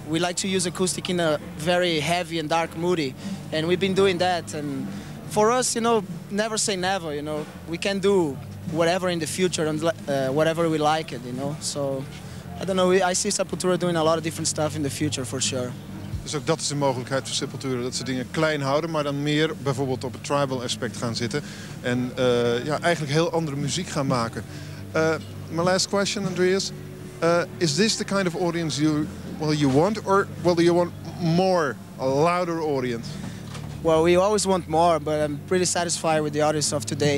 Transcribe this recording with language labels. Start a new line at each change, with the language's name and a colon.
English: We like to use acoustic in a very heavy and dark moody, and we've been doing that. And for us, you know, never say never, you know. We can do whatever in the future and whatever we like it, you know. So, I don't know, I see Sepultura doing a lot of different stuff in the future, for sure.
Dutch: Dus ook dat is een mogelijkheid voor Sepultura, dat ze dingen klein houden, maar dan meer bijvoorbeeld op het tribal aspect gaan zitten. En ja, eigenlijk heel andere muziek gaan maken.
English: My last question, Andreas. Is this the kind of audience you want, or do you want more, a louder audience? Well, we always want more, but I'm pretty satisfied with the audience of today.